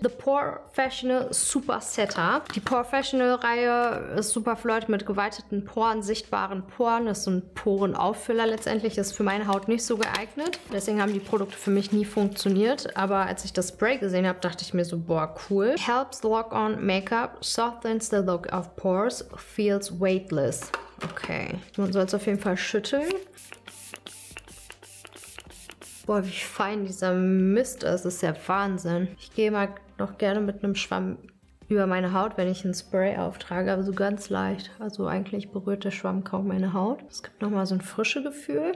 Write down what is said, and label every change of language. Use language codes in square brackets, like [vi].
[de] The Porefessional Super Setter. Die Porefessional Reihe ist super flirt mit geweiteten Poren, sichtbaren Poren. Das ist ein Porenauffüller letztendlich. Ist für meine Haut nicht so geeignet. Deswegen haben die Produkte für mich nie funktioniert. Aber als ich das Spray gesehen habe, dachte ich mir so, boah, cool. [en] Helps lock-on Make-up, softens the look of pores, feels weightless. [de] Okay, man soll es auf jeden Fall schütteln. Boah, wie fein dieser Mist ist. Das ist ja Wahnsinn. Ich gehe mal noch gerne mit einem Schwamm über meine Haut, wenn ich ein Spray auftrage, aber so ganz leicht. Also eigentlich berührt der Schwamm kaum meine Haut. Es gibt nochmal so ein frisches Gefühl.